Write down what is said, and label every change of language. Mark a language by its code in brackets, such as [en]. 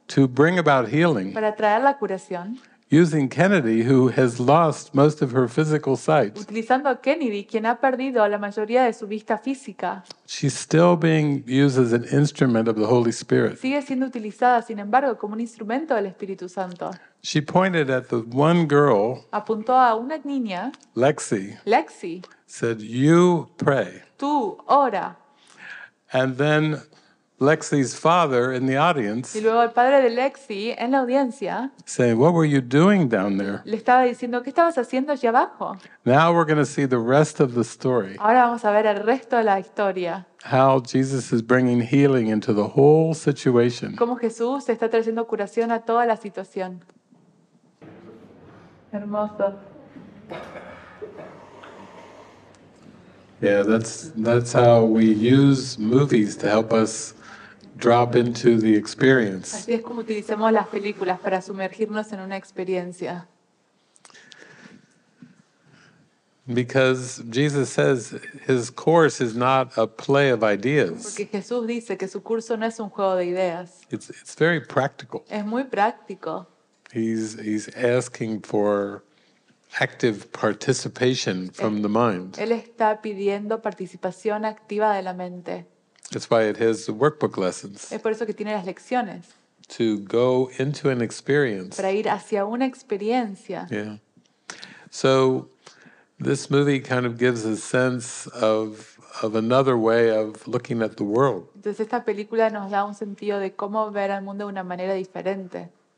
[en] To bring about healing. [es] Para traer la curación. [en] Using Kennedy, who has lost most of her physical sight. [es] Utilizando a Kennedy, quien ha perdido la mayoría de su vista física. [en] She's still being used as an instrument of the Holy Spirit. [es] Sigue siendo utilizada, sin embargo, como un instrumento del Espíritu Santo. [en] She pointed at the one girl. [es] Apuntó a una niña. [en] Lexi. [es] Lexi. [en] Said, "You pray." [es] Tú ora. [en] And then Lexi's father in the audience. [es] Y luego el padre de Lexi en la audiencia. [en] Saying, "What were you doing down there?" [es] Le estaba diciendo, ¿qué estabas haciendo allí abajo? [en] Now we're going to see the rest of the story. [es] Ahora vamos a ver el resto de la historia. [en] How Jesus is bringing healing into the whole situation. [es] Cómo Jesús está trayendo curación a toda la situación. Hermoso. [en] Yeah, that's how we use movies to help us drop into the experience. [es] Así es como utilizamos las películas para sumergirnos en una experiencia. [en] Because Jesus says his course is not a play of ideas. [es] Porque Jesús dice que su curso no es un juego de ideas. [en] It's very practical. [es] Es muy práctico. [en] He's asking for active participation from the mind. [es] Él está pidiendo participación activa de la mente. [en] That's why it has the workbook lessons. [es] Es por eso que tiene las lecciones. [en] To go into an experience. [es] Para ir hacia una experiencia. [en] Yeah. So this movie kind of gives a sense of another way of looking at the world. [es] Entonces esta película nos da un sentido de cómo ver al mundo de una manera diferente.